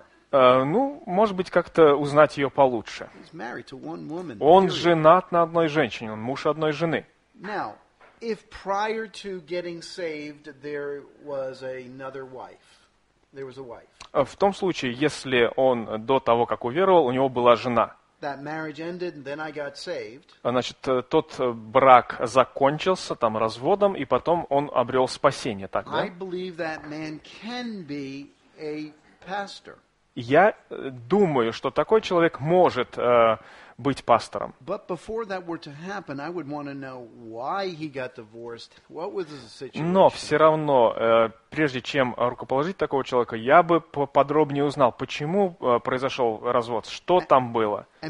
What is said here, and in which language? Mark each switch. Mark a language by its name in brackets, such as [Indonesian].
[Russian] Ну, может быть, как-то узнать ее получше. Он женат на одной женщине, он муж одной жены. [English] Now, if prior to getting saved, there was another wife, there was a wife. [Russian] В том случае, если он до того, как уверовал, у него была жена. [English] That marriage ended, and then I got saved. [Russian] Значит, тот брак закончился там разводом, и потом он обрел спасение, так, да? [English] I believe that man can be a pastor. [Russian] Я думаю, что такой человек может быть пастором. Но все равно, прежде чем рукоположить такого человека, я бы поподробнее узнал, почему произошел развод, что там было.